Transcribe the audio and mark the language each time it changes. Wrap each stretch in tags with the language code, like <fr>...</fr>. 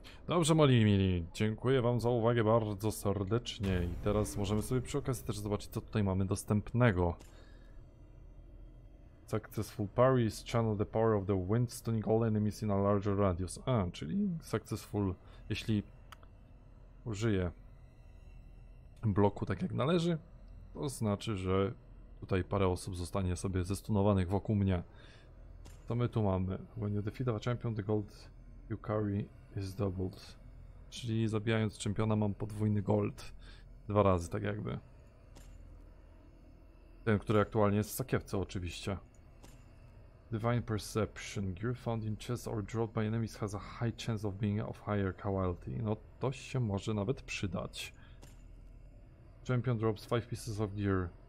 <pl>Dobrze, moi mili, dziękuję wam za uwagę bardzo serdecznie i teraz możemy sobie przy okazji też zobaczyć, co tutaj mamy dostępnego.</pl> <en>Successful parry is channel the power of the wind, stunning all enemies in a larger radius.</en> <pl>A, czyli successful, jeśli użyję bloku tak jak należy, to znaczy, że tutaj parę osób zostanie sobie zestunowanych wokół mnie. Co my tu mamy?</pl> <en>When you defeat a champion, the gold you carry is doubled.</en> <pl>Czyli zabijając czempiona mam podwójny gold. Dwa razy tak jakby. Ten, który aktualnie jest w sakiewce oczywiście.</pl> <en>Divine perception. Gear found in chests or dropped by enemies has a high chance of being of higher quality.</en> <pl>No to się może nawet przydać.</pl> <en>Champion drops 5 pieces of gear.</en>